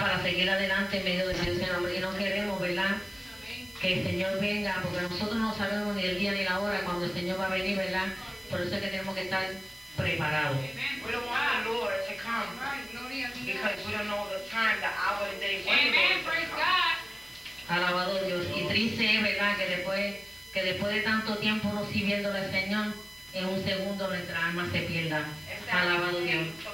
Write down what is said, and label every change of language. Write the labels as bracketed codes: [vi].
[es] Para seguir adelante en medio de Dios, en nombre. Y no queremos, ¿verdad?, que el Señor venga, porque nosotros no sabemos ni el día ni la hora cuando el Señor va a venir, ¿verdad? Por eso es que tenemos que estar preparados. [en] We don't want the Lord to come. Because we don't know the time, the hour, the day. Amen, praise God. [es] Alabado Dios. Y triste es, ¿verdad?, que después de tanto tiempo no sirviéndole al Señor, en un segundo nuestra alma se pierda. Alabado Dios.